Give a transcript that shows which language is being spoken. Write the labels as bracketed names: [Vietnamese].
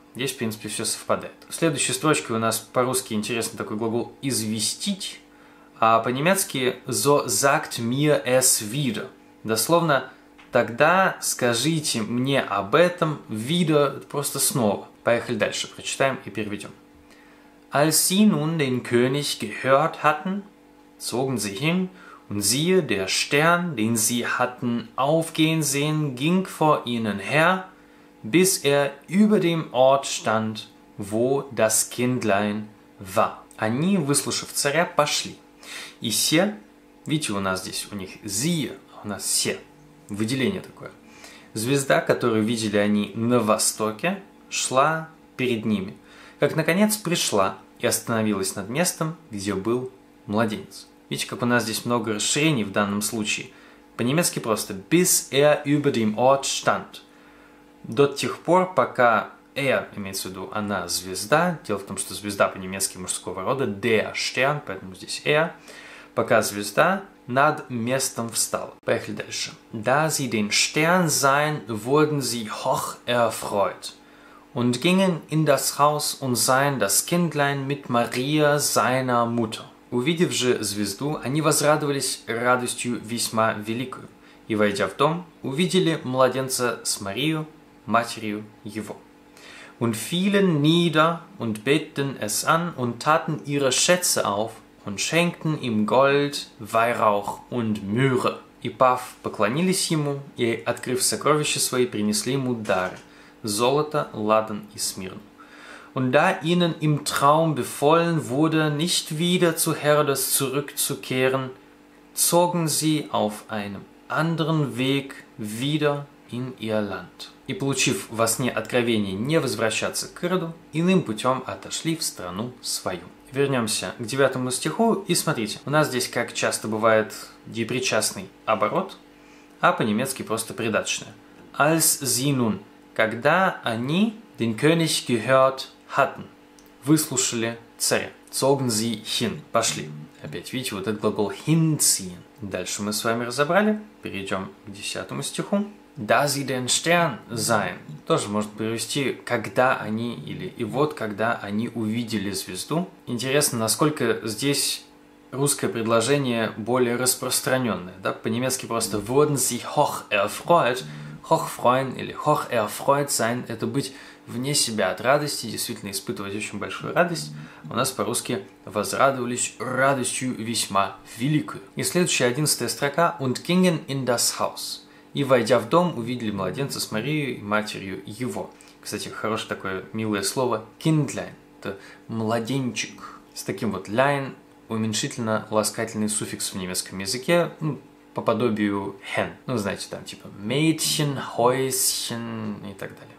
[Russian] Здесь, в принципе, все совпадает. В следующей строчке у нас по-русски интересный такой глагол «известить», а по-немецки [German] «so sagt mir es wieder». [Russian] Дословно «тогда скажите мне об этом wieder», просто снова. Поехали дальше, прочитаем и переведем. [German] «Als sie nun den König gehört hatten, zogen sie hin, und siehe, der Stern, den sie hatten aufgehen sehen, ging vor ihnen her, bis er über dem Ort stand, wo das Kindlein war». [Russian] Они, выслушав царя, пошли. И все, видите, у нас здесь у них «sie», а у нас «все», выделение такое. Звезда, которую видели они на востоке, шла перед ними, как, наконец, пришла и остановилась над местом, где был младенец. Видите, как у нас здесь много расширений в данном случае. По-немецки просто [German] «bis er über dem Ort stand». [Russian] До тех пор, пока «er», имеется в виду, она звезда. Дело в том, что звезда по-немецки мужского рода «der Stern», поэтому здесь «er». Пока звезда над местом встала. Поехали дальше. [German] «Da sie den Stern sahen, wurden sie hoch erfreut und gingen in das Haus und sahen das Kindlein mit Maria, seiner Mutter». [Russian] Увидев же звезду, они возрадовались радостью весьма великую. И, войдя в дом, увидели младенца с Марию, матерью его. [German] Und fielen nieder und beteten es an und taten ihre Schätze auf und schenkten ihm Gold, Weihrauch und Myrrhe. [Russian] И, пав, поклонились ему, и, открыв сокровища свои, принесли ему дары – золото, ладан и смирн. [German] Und da ihnen im Traum befohlen wurde, nicht wieder zu Herodes zurückzukehren, zogen sie auf einem anderen Weg wieder in ihr Land. [Russian] И получив во сне откровение не возвращаться к Ироду, иным путем отошли в страну свою. Вернемся к 9 стиху и смотрите. У нас здесь, как часто бывает, деепричастный оборот, а по-немецки просто придаточное. [German] Als sie nun, [Russian] когда они [German] den König gehört hatten, [Russian] выслушали царя, [German] zogen sie hin, [Russian] пошли. Опять видите, вот этот глагол hinziehen. Дальше мы с вами разобрали, перейдем к 10 стиху. [German] Da sie den Stern sahen, [Russian] тоже может перевести, когда они, или и вот когда они увидели звезду. Интересно, насколько здесь русское предложение более распространенное, да? По-немецки просто [German] wurden sie hoch erfreut, hoch freuen [Russian] или [German] hoch erfreut sein, [Russian] это быть вне себя от радости, действительно испытывать очень большую радость, у нас по-русски возрадовались радостью весьма великую. И следующая, 11 строка, [German] und gingen in das Haus. [Russian] И, войдя в дом, увидели младенца с Марией и матерью его. Кстати, хорошее такое милое слово, kindlein, это младенчик. С таким вот lein, уменьшительно ласкательный суффикс в немецком языке, ну, по подобию hen. Ну, знаете, там типа Mädchen, Häuschen и так далее.